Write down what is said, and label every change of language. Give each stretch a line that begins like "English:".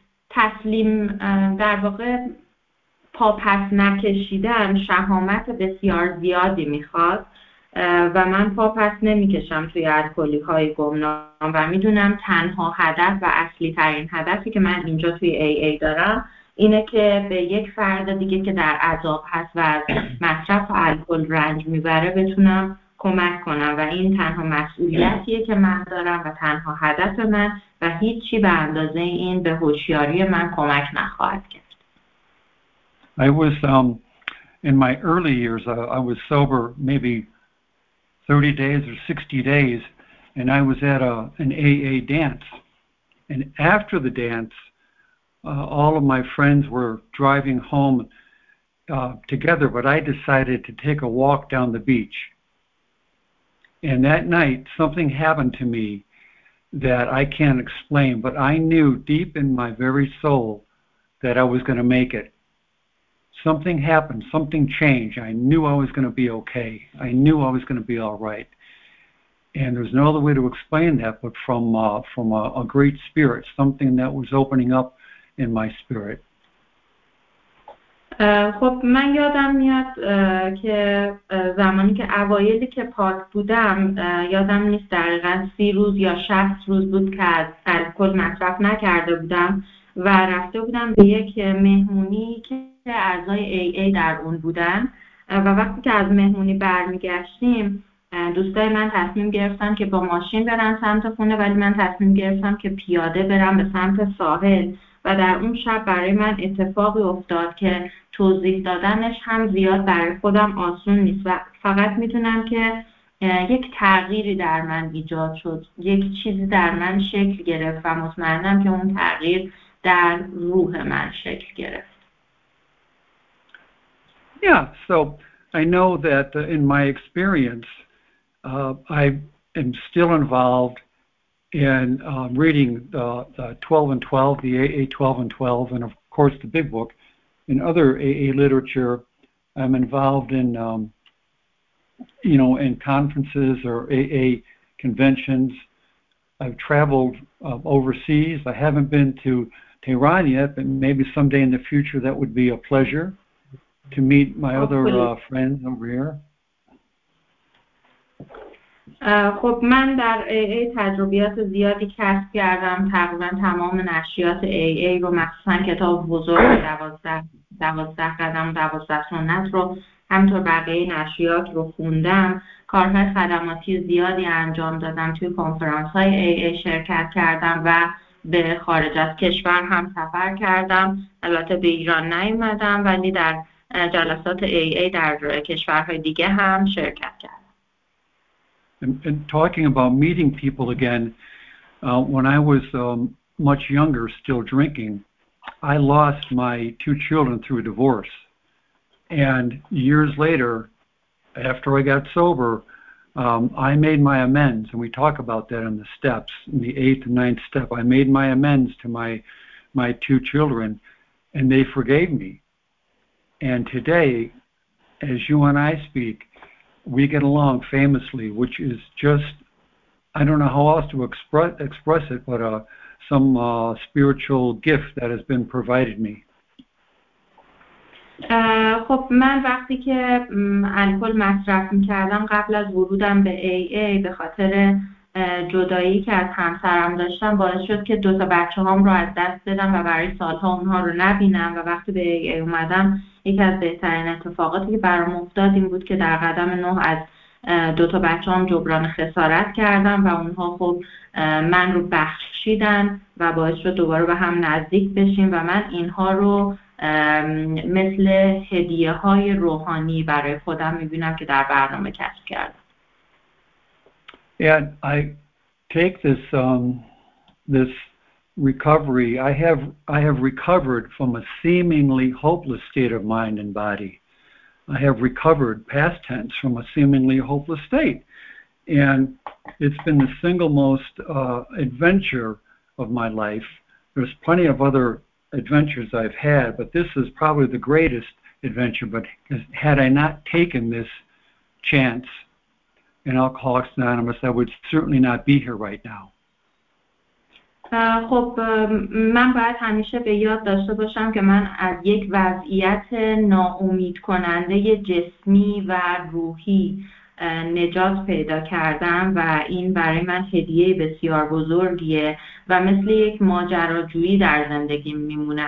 Persian: تسلیم در واقع پاپس نکشیدن شهامت بسیار زیادی میخواد و من پاپس نمیکشم توی الکلی های گمنام و میدونم تنها هدف و اصلی ترین هدفی که من اینجا توی AA دارم اینه که به یک فرد دیگه که در عذاب هست و مصرف الکل رنج میبره بتونم کمک کنم و این تنها مسئولیتیه که من دارم و تنها هدف من و هیچی به اندازه این به هوشیاری من کمک نخواهد کرد.
English: I was in my early years I was sober maybe 30 days or 60 days and I was at an AA dance and after the dance all of my friends were driving home together but I decided to take a walk down the beach. And that night, something happened to me that I can't explain, but I knew deep in my very soul that I was going to make it. Something happened. Something changed. I knew I was going to be okay. I knew I was going to be all right. And there's no other way to explain that but from a great spirit, something that was opening up in my spirit.
Persian: خب من یادم میاد که زمانی که اوایلی که پاک بودم یادم نیست دقیقا 30 روز یا 60 روز بود که الکل مصرف نکرده بودم و رفته بودم به یک مهمونی که اعضای AA در اون بودن و وقتی که از مهمونی برمیگشتیم دوستای من تصمیم گرفتن که با ماشین برن سمت خونه ولی من تصمیم گرفتم که پیاده برم به سمت ساحل و در اون شب برای من اتفاقی افتاد که توضیح دادنش هم زیاد برای خودم آسون نیست و فقط میتونم که یک تغییری در من ایجاد شد، یک چیزی در من شکل گرفت و مطمئنم که اون تغییر در روح من شکل گرفت.
English: Yeah, so I know that in my experience I am still involved in reading the 12 and 12, the AA 12 and 12, and of course the big book, in other AA literature, I'm involved in, in conferences or AA conventions. I've traveled overseas. I haven't been to Tehran yet, but maybe someday in the future that would be a pleasure to meet my Hopefully. Other friends over here.
Persian: خب من در AA تجربیات زیادی کسب کردم، تقریبا تمام نشریات AA رو مخصوصا کتاب بزرگ 12 قدم 12 سنت رو همطور بقیه نشریات رو خوندم، کارهای خدماتی زیادی انجام دادم، توی کنفرانس های AA شرکت کردم و به خارج از کشور هم سفر کردم، البته به ایران نیومدم ولی در جلسات AA در کشورهای دیگه هم شرکت کردم.
English: And talking about meeting people again, when I was much younger, still drinking, I lost my two children through a divorce. And years later, after I got sober, I made my amends, and we talk about that in the steps, in the eighth and ninth step. I made my amends to my two children, and they forgave me. And today, as you and I speak, we get along famously, which is just, I don't know how else to express it, but some spiritual gift that has been provided me.
Persian: خب من وقتی که الکل مصرف میکردم قبل از ورودم به AA به خاطر جدایی که از همسرم داشتم باعث شد که دو تا بچه هام رو از دست بدم و برای سالها اونها رو نبینم و وقتی به AA اومدم یکی از بهترین اتفاقاتی که برام افتاد این بود که در قدم 9 از دو تا بچه‌ام جبران خسارت کردم و اونها خب من رو بخشیدن و باعث شد دوباره به هم نزدیک بشیم و من اینها رو مثل هدیه های روحانی برای خودم میبینم که در برنامه کسب کردم.
English: And I take this this recovery. I have recovered from a seemingly hopeless state of mind and body. I have recovered, past tense, from a seemingly hopeless state. And it's been the single most adventure of my life. There's plenty of other adventures I've had, but this is probably the greatest adventure. But had I not taken this chance in Alcoholics Anonymous, I would certainly not be here right now.
Persian: خب من باید همیشه به یاد داشته باشم که من از یک وضعیت ناامید کننده جسمی و روحی نجات پیدا کردم و این برای من هدیه بسیار بزرگیه و مثل یک ماجراجویی در زندگیم میمونه.